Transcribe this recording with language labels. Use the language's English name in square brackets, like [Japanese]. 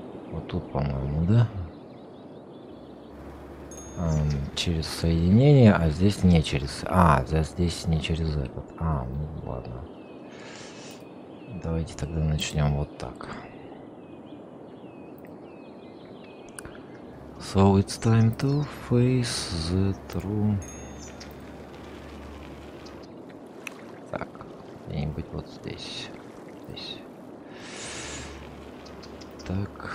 [Russian] Вот тут, по-моему, да? Через соединение, а здесь не через... А, здесь не через этот. А, ну ладно. Давайте тогда начнем вот так. [English] So it's time to face the true. [Russian] Так, где-нибудь вот здесь. Так.